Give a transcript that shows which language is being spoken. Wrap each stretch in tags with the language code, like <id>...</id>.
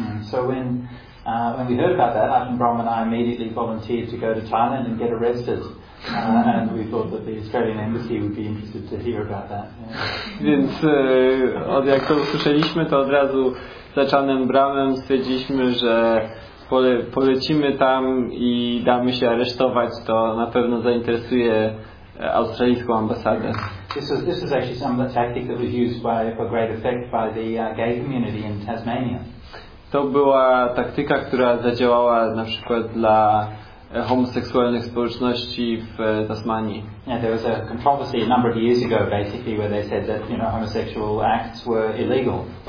<en>So when we heard about that, Ajahn Brahm and I immediately volunteered to go to Thailand and get arrested. And we thought that the Australian embassy would be interested to hear about that.</en> <pl>Więc od jak to usłyszeliśmy, to od razu za czarnym bramem stwierdziliśmy, że polecimy tam i damy się aresztować, to na pewno zainteresuje australijską ambasadę.</pl> <en>This is actually some of the tactic that was used for great effect by the gay community in Tasmania.</en> <pl>To była taktyka, która zadziałała na przykład dla homoseksualnych społeczności w Tasmanii.</pl> <en>Yeah, there was a controversy a number of years ago, basically, where they said that, you know, homosexual acts were illegal.</en>